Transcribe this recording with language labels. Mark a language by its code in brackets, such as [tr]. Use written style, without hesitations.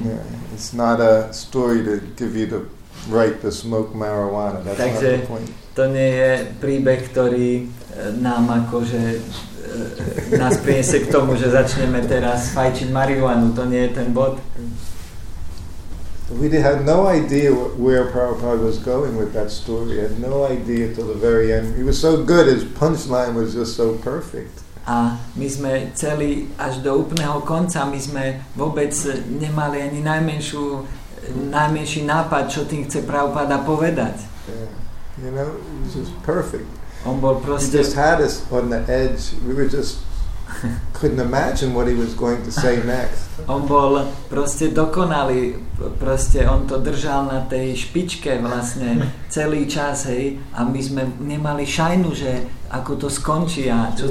[en] Yeah, it's not a story to give you the write the smoke marijuana. That's [sk] takže to nie je príbeh, ktorý nám akože nás priniesie k tomu, že začneme teraz fajčiť marihuanu. To nie je ten bod. [en] We had no idea where Prabhupada was going with that story. We had no idea till the very end. He was so good, his punchline was just so perfect. [sk] A my sme celý až do úplného konca, my sme vôbec nemali ani najmenší nápad, čo tým chce Prabhupada povedať. [en] Yeah. You know, it was just perfect. [sk] On bol proste... [en] He just had us on the edge. We were just... couldn't imagine what he was going to say next. [sk] On bol proste dokonalý, proste on to držal na tej špičke vlastne celý čas, hej, a my sme nemali šajnu, že ako to skončí a čo